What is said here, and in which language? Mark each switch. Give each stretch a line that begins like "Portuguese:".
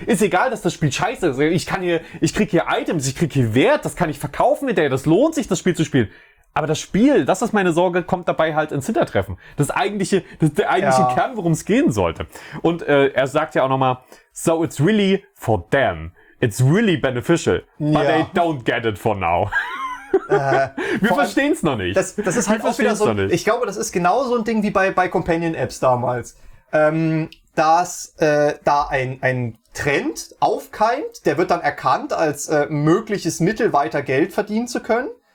German: Ist egal, dass das Spiel scheiße ist. Ich krieg hier Items, ich krieg hier Wert, das kann ich verkaufen hinterher, das lohnt sich, das Spiel zu spielen. Aber das Spiel, das ist meine Sorge, kommt dabei halt ins Hintertreffen. Das ist der eigentliche ja. Kern, worum es gehen sollte. Und er sagt ja auch nochmal,
English: so it's really for them. It's really beneficial, but they don't get it for now.
German: Wir verstehen es noch nicht. Das ist halt auch wieder so, ich glaube, das ist genau so ein Ding wie bei Companion-Apps damals. Dass da ein Trend aufkeimt, der wird dann erkannt als mögliches Mittel, weiter Geld verdienen zu können.